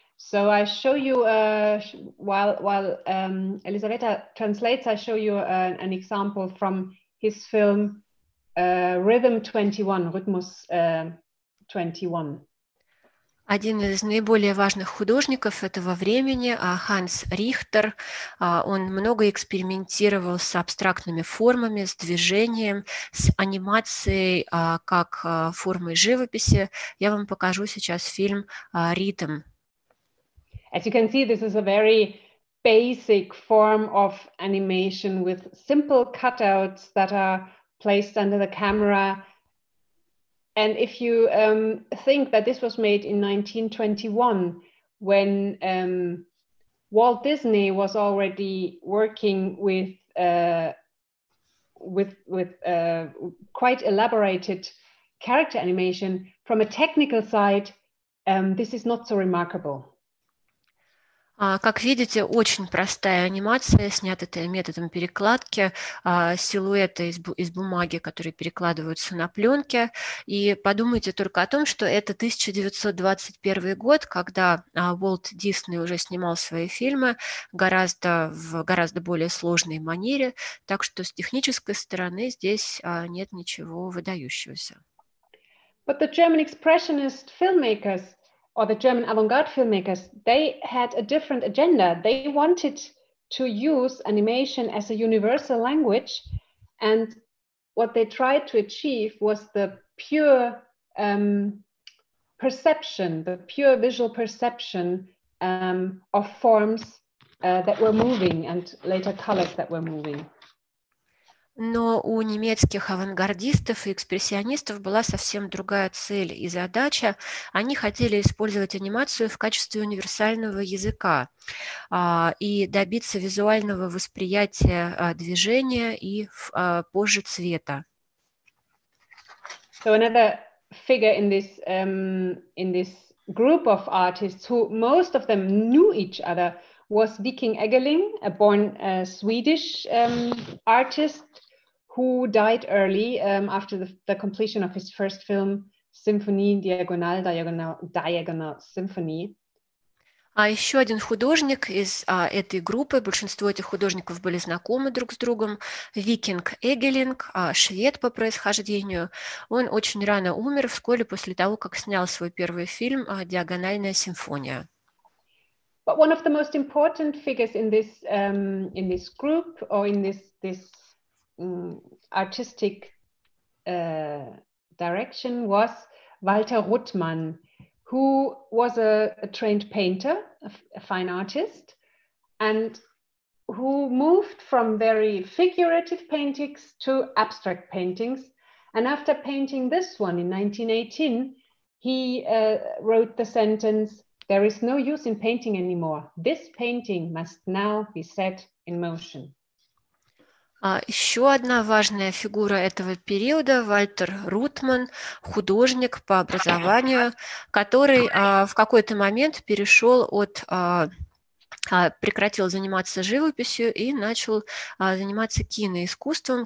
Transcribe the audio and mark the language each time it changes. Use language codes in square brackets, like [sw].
[en] So I show you while Elisabetta translates, I show you an example from his film Rhythm 21. [ru] Один из наиболее важных художников этого времени – Ханс Рихтер. Он много экспериментировал с абстрактными формами, с движением, с анимацией как формой живописи. Я вам покажу сейчас фильм «Ритм». [en] As you can see, this is a very basic form of animation with simple cutouts that are placed under the camera. And if you think that this was made in 1921, when Walt Disney was already working with quite elaborated character animation, from a technical side, this is not so remarkable. [ru] Как видите, очень простая анимация, снята методом перекладки, силуэты из бумаги, которые перекладываются на пленке. И подумайте только о том, что это 1921 год, когда Уолт Дисней уже снимал свои фильмы в гораздо более сложной манере. Так что с технической стороны здесь нет ничего выдающегося. [en] But the German expressionist filmmakers or the German avant-garde filmmakers, they had a different agenda. They wanted to use animation as a universal language. And what they tried to achieve was the pure perception, the pure visual perception of forms that were moving and later colors that were moving. [ru] Но у немецких авангардистов и экспрессионистов была совсем другая цель и задача. Они хотели использовать анимацию в качестве универсального языка и добиться визуального восприятия движения и позже цвета. [en] So another figure in this group of artists, who most of them knew each other, was Viking Egeling, a born Swedish artist, who died early after the completion of his first film, Symphony Diagonal, Diagonal Symphony. [ru] А еще один художник из этой группы, большинство этих художников были знакомы друг с другом, Викинг Эгелинг, швед по происхождению. Он очень рано умер вскоре после того, как снял свой первый фильм «Диагональная симфония». [en] But one of the most important figures in this group or in this, this... artistic direction was Walter Ruttmann, who was a trained painter, a fine artist, and who moved from very figurative paintings to abstract paintings. And after painting this one in 1918, he wrote the sentence, "There is no use in painting anymore. This painting must now be set in motion." [ru] Еще одна важная фигура этого периода – Вальтер Рутман, художник по образованию, который в какой-то момент перешел от прекратил заниматься живописью и начал заниматься киноискусством.